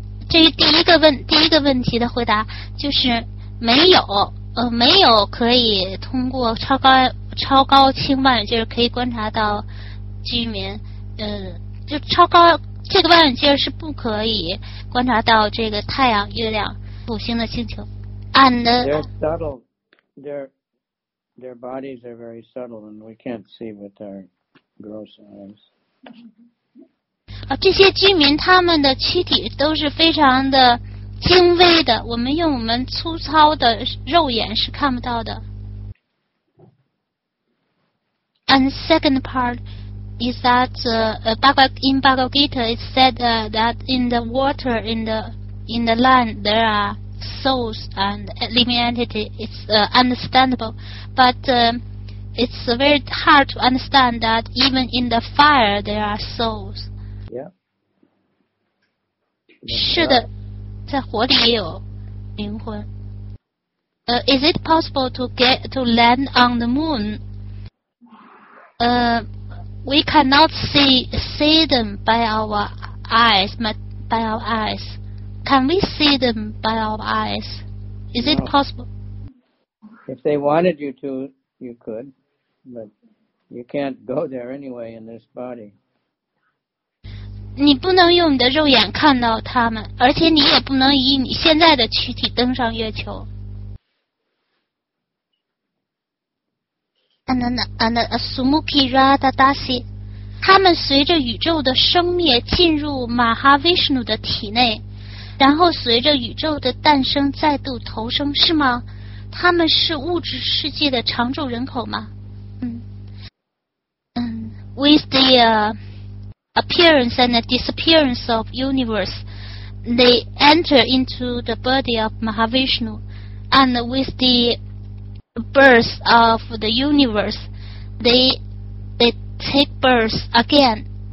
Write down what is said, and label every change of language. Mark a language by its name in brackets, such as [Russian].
[Chinese] 这是第一个问题的回答，就是没有，没有可以通过超高清望远镜可以观察到居民，就超高这个望远镜是不可以观察到这个太阳、月亮、土星的星球。 [English] And they're subtle, their bodies are very subtle, and we can't see with our gross eyes. [Chinese] 这些居民他们的躯体都是非常的精微的，我们用我们粗糙的肉眼是看不到的。 [English] And second part is that in Bhagavad Gita it said that in the water in the land there are souls and living entity. It's understandable, but it's very hard to understand that even in the fire there are souls. Yeah. [Chinese] 是的，在火里也有灵魂。 [English] Is it possible to land on the moon? we cannot see them by our eyes, but by our eyes. Can we see them by our eyes? Is it possible? If they wanted you to, you could, but you can't go there anyway in this body. [Chinese] 你不能用你的肉眼看到他们，而且你也不能以你现在的躯体登上月球。 Anasumuki Radadasi， 他们随着宇宙的生灭进入 Mahavishnu 的体内，然后随着宇宙的诞生再度投生，是吗？他们是物质世界的常住人口吗？ [English] With the appearance and the disappearance of universe, they enter into the body of Mahavishnu, and with the birth of the universe, they take birth again.